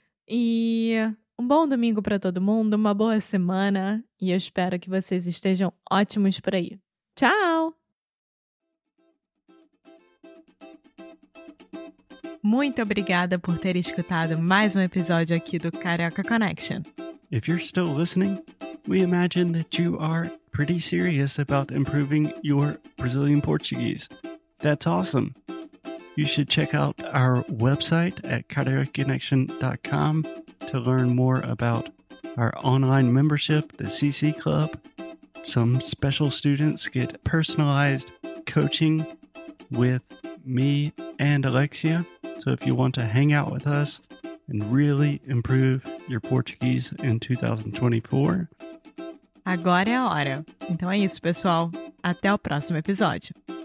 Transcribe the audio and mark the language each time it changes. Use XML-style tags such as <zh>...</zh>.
<pt>E um bom domingo para todo mundo, uma boa semana e eu espero que vocês estejam ótimos por aí. Tchau! Muito obrigada por ter escutado mais um episódio aqui do Carioca Connection.</pt> <en>If you're still listening, we imagine that you are pretty serious about improving your Brazilian Portuguese. That's awesome. You should check out our website at cariocaconnection.com to learn more about our online membership, the CC Club. Some special students get personalized coaching with me and Alexia. So if you want to hang out with us and really improve your Portuguese in 2024,</en> <pt>agora é a hora. Então é isso, pessoal. Até o próximo episódio.</pt>